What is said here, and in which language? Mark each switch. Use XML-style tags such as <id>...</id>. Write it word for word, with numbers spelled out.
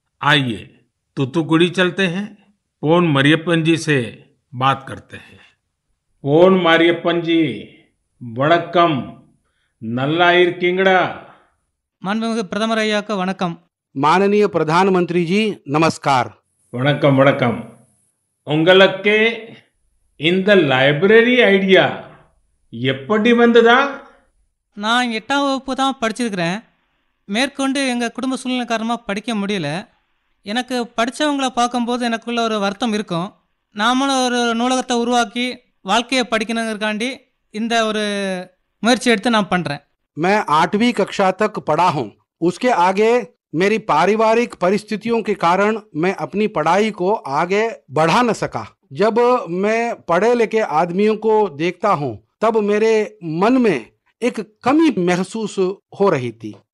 <hi>आइए तूतुकुड़ी चलते हैं, पोन मारियप्पन जी से बात करते हैं। पोन मारियप्पन जी, வணக்கம்.</hi> <ta>நல்லா இருக்கீங்களா? மாண்புமிகு பிரதமர் ஐயாக்கு வணக்கம்.</ta> <hi>माननीय प्रधानमंत्री जी नमस्कार.</hi> <ta>வணக்கம் வணக்கம். உங்களுக்கு இந்த லைப்ரரி ஐடியா எப்படி வந்ததா? நான் எட்டாம் வகுப்பு தான் படிச்சிருக்கிறேன். மேற்கொண்டு எங்கள் குடும்ப சூழ்நிலை காரணமாக படிக்க முடியல. எனக்கு படித்தவங்கள பார்க்கும்போது எனக்குள்ள ஒரு வருத்தம் இருக்கும். நாமளும் ஒரு நூலகத்தை உருவாக்கி வாழ்க்கையை படிக்கணுங்கிறக்காண்டி இந்த ஒரு முயற்சி எடுத்து நான் பண்ணுறேன்.</ta> <hi>मैं आठवीं कक्षा तक पढ़ा हूँ। उसके आगे मेरी पारिवारिक परिस्थितियों के कारण मैं अपनी पढ़ाई को आगे बढ़ा न सका। जब मैं पढ़े लिखे आदमियों को देखता हूँ तब मेरे मन में एक कमी महसूस हो रही थी।</hi>